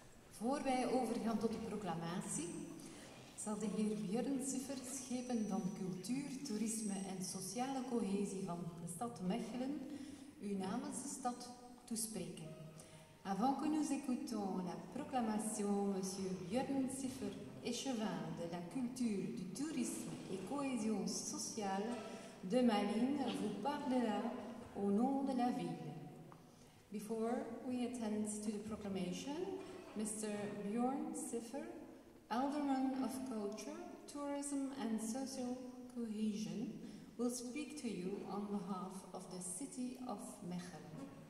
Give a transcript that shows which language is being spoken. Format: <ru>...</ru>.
<nl>Voor wij overgaan tot de proclamatie, zal de heer Björn Suffer, schepen van cultuur, toerisme en sociale cohesie van de stad Mechelen, u namens de stad toespreken.</nl> <fr>Avant que nous écoutons la proclamation, monsieur Björn Suffer, échevin de la culture, du tourisme et cohésion sociale de Malines, vous parlera au nom de la ville.</fr> <en>Before we attend to the proclamation, Mr. Björn Suffer, Alderman of Culture, Tourism and Social Cohesion, will speak to you on behalf of the city of Mechelen.</en>